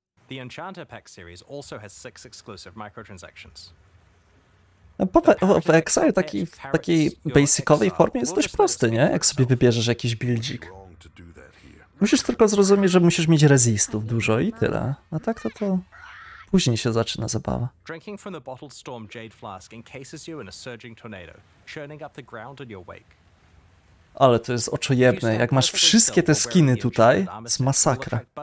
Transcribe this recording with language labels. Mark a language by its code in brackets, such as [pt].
[en] The Enchanter Pack series also has 6 exclusive microtransactions. [pl] W Exile takiej basicowej formie jest dość prosty, nie? Jak sobie wybierzesz jakiś buildzik. Musisz tylko zrozumieć, że musisz mieć resistów dużo i tyle. A tak to później się zaczyna zabawa. [en] Drinking from the bottled storm jade flask encases you in a surging tornado, churning up the ground in your wake. [pl] Ale to jest oczojebne, jak masz wszystkie te skiny tutaj, z masakra.